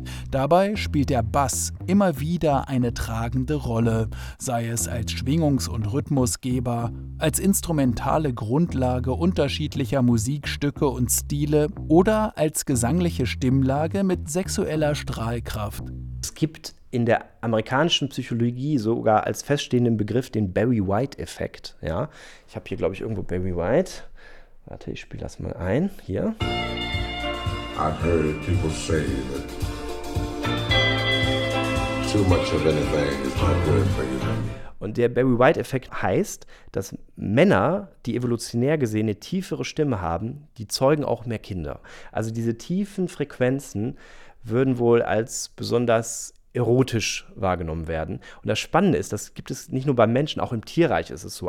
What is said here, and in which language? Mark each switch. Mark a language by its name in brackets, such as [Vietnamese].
[German] Dabei spielt der Bass immer wieder eine tragende Rolle, sei es als Schwingungs- und Rhythmusgeber, als instrumentale Grundlage unterschiedlicher Musikstücke und Stile oder als gesangliche Stimmlage mit sexueller Strahlkraft. Es gibt in der amerikanischen Psychologie sogar als feststehenden Begriff den Barry White-Effekt. Ja, ich habe hier, glaube ich, irgendwo Barry White. Warte, ich spiele das mal ein. Hier. [English] I've heard people say that too much of anything is not good for you. [German] Und der Barry White-Effekt heißt, dass Männer, die evolutionär gesehen eine tiefere Stimme haben, die zeugen auch mehr Kinder. Also diese tiefen Frequenzen würden wohl als besonders erotisch wahrgenommen werden. Und das Spannende ist, das gibt es nicht nur beim Menschen, auch im Tierreich ist es so.